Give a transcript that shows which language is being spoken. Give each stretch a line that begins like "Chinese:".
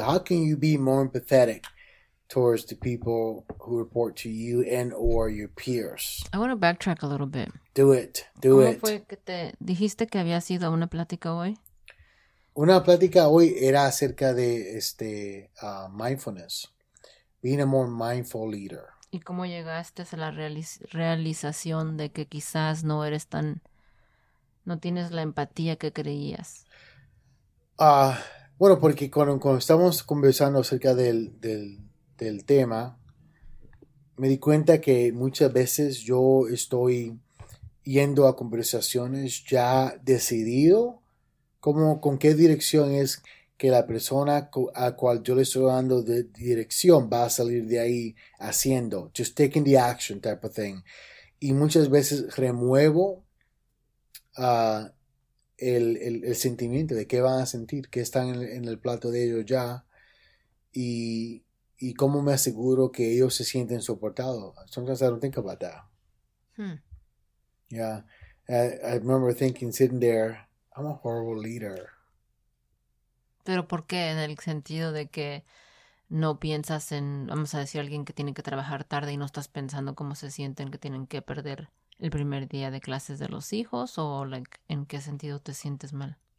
English: How can you be more empathetic towards the people who report to you and or your peers? I want to backtrack a little bit. Do it. Do it.
Spanish: ¿Cómo fue que te dijiste que había sido una plática hoy? Una plática hoy era acerca de mindfulness.
English: Being a more mindful leader.
Spanish: ¿Y cómo llegaste a la realización de que quizás no eres tan... no tienes la empatía que creías? Bueno, porque cuando estamos conversando acerca del tema, me di cuenta que muchas veces yo estoy yendo a conversaciones ya decidido como con qué dirección es que la persona a cual yo le estoy dando de dirección va a salir de ahí haciendo,
English: just taking the action type of thing.
Spanish: Y muchas veces remuevo el sentimiento de qué van a sentir, qué están en el plato de ellos ya y cómo me aseguro que ellos se sienten soportados.
English: Sometimes I don't think about that. Yeah. I remember thinking, sitting there, I'm a horrible leader.
Spanish: ¿Pero por qué? En el sentido de que no piensas en, vamos a decir, alguien que tiene que trabajar tarde y no estás pensando cómo se sienten que tienen que perder el primer día de clases de los hijos, o like, ¿en qué sentido te sientes mal?